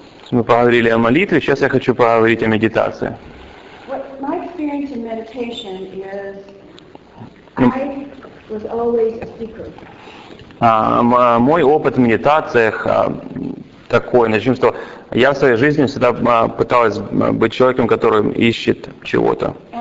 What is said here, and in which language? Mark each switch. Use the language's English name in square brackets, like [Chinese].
[Russian] Мы поговорили о молитве, сейчас я хочу поговорить о медитации. [English] My experience in meditation is I was always a seeker. [Russian] Мой опыт в медитациях такой, начнем с того, я в своей жизни всегда пыталась быть человеком, который ищет чего-то.